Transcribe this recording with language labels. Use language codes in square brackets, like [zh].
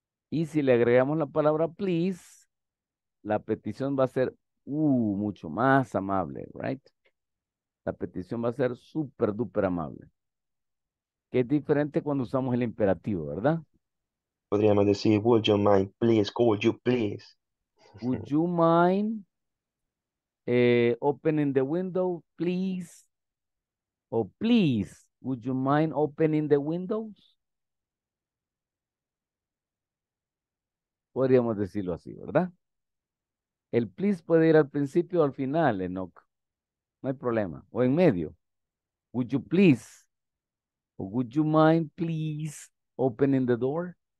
[es] Y si le agregamos la palabra please, la petición va a ser mucho más amable, right? La petición va a ser súper duper amable. Que es diferente cuando usamos el imperativo, ¿verdad? Podríamos decir, [en] would you mind, please, could you please. Would you mind opening the window, please? O please, would you mind opening the windows? [es] Podríamos decirlo así, ¿verdad? El please puede ir al principio o al final, Enoch. No hay problema. O en medio. [en] Would you please? Or would you mind please opening the door?